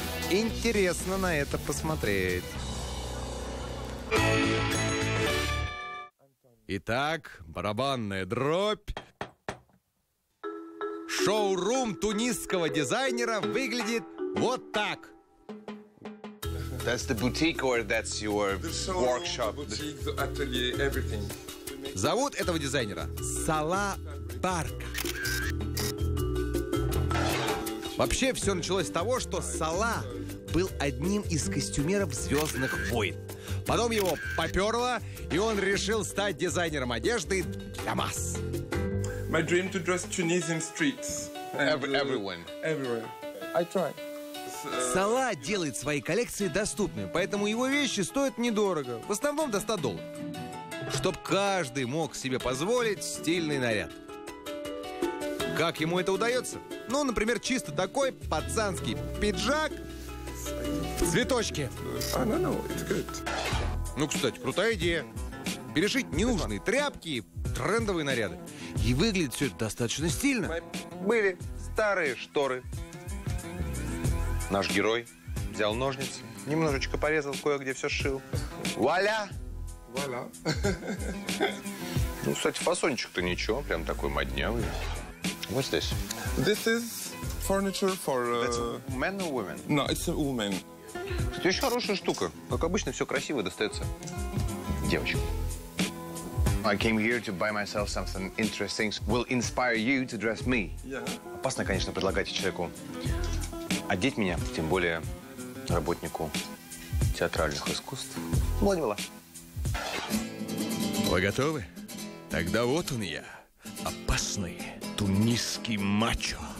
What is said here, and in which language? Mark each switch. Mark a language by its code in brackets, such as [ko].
[ru] Интересно на это посмотреть. Итак, барабанная дробь. Шоу-рум тунисского дизайнера выглядит вот так. [en] That's the boutique or that's your workshop? The atelier, everything. [ru] Зовут этого дизайнера Сала Барка. Вообще все началось с того, что Сала был одним из костюмеров «Звездных войн». Потом его поперло, и он решил стать дизайнером одежды для масс. [en] My dream to dress Tunisian streets. Everyone. Everywhere. I try. [ru] Сала делает свои коллекции доступными, поэтому его вещи стоят недорого. В основном до 100 долларов. Чтоб каждый мог себе позволить стильный наряд. Как ему это удается? Ну, например, чисто такой пацанский пиджак в цветочке. Ну, кстати, крутая идея. Перешить ненужные тряпки и трендовые наряды. И выглядит все это достаточно стильно. Были старые шторы. Наш герой взял ножницы, немножечко порезал, кое-где все сшил. Вуаля! Вуаля! Ну, кстати, фасончик-то ничего, прям такой моднявый. [en] What's this? This is furniture for... That's men or women? No, it's a woman. [ru] Это еще хорошая штука. Как обычно, все красиво достается девочкам. [en] I came here to buy myself something interesting. Will inspire you to dress me. Yeah. [ru] Опасно, конечно, предлагать человеку одеть меня, тем более работнику театральных искусств. Молодела. Вы готовы? Тогда вот он я. Опасный тунисский мачо.